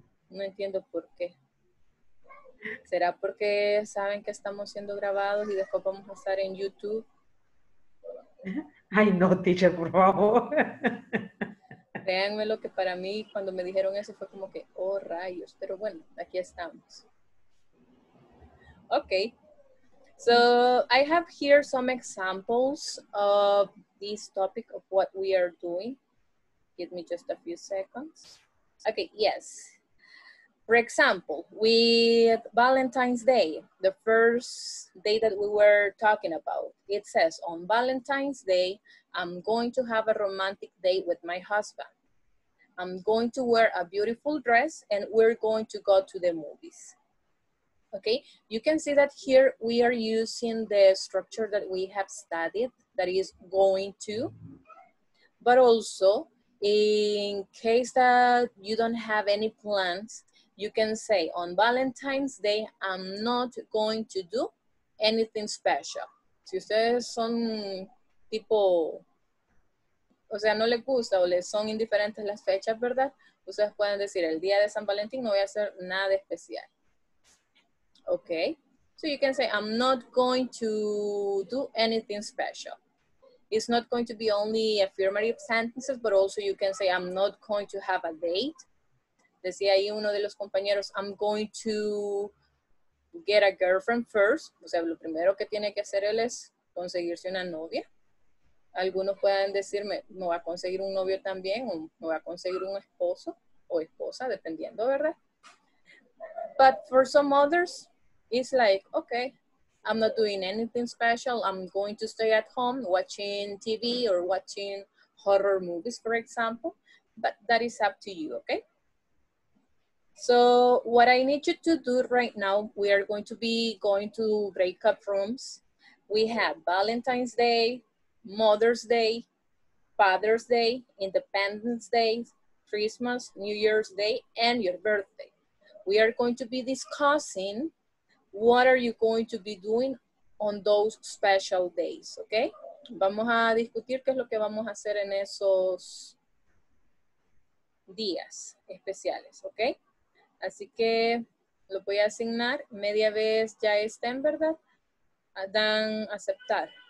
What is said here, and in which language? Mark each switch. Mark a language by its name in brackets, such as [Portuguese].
[Spanish] No entiendo por qué. ¿Será porque saben que estamos siendo grabados y después vamos a estar en YouTube? Ay, no, teacher, por favor. Créanme lo que para mí cuando me dijeron eso fue como que, oh rayos, pero bueno, aquí estamos. [English] Okay, so I have here some examples of this topic of what we are doing. Give me just a few seconds. Okay, yes. For example, with Valentine's Day, the first day that we were talking about, it says on Valentine's Day, I'm going to have a romantic date with my husband. I'm going to wear a beautiful dress and we're going to go to the movies. Okay, you can see that here we are using the structure that we have studied, that is going to. But also, in case that you don't have any plans, you can say on Valentine's Day, I'm not going to do anything special. [Spanish] Si ustedes son tipo... O sea, no les gusta o les son indiferentes las fechas, ¿verdad? Ustedes pueden decir, el día de San Valentín no voy a hacer nada de especial. [English] Okay. So you can say, I'm not going to do anything special. It's not going to be only affirmative sentences, but also you can say, I'm not going to have a date. [Spanish] Decía ahí uno de los compañeros, [English] I'm going to get a girlfriend first. [Spanish] O sea, lo primero que tiene que hacer él es conseguirse una novia. Algunos pueden decirme, ¿me va a conseguir un novio también? ¿O me va a conseguir un esposo o esposa? Dependiendo, ¿verdad? [English] But for some others, it's like, okay, I'm not doing anything special. I'm going to stay at home watching TV or watching horror movies, for example. But that is up to you, okay? So what I need you to do right now, we are going to be going to breakout rooms. We have Valentine's Day, Mother's Day, Father's Day, Independence Day, Christmas, New Year's Day, and your birthday. We are going to be discussing what are you going to be doing on those special days, okay? [Spanish] Vamos a discutir qué es lo que vamos a hacer en esos días especiales, okay? Así que lo voy a asignar. Media vez ya estén, ¿verdad? Dan aceptar.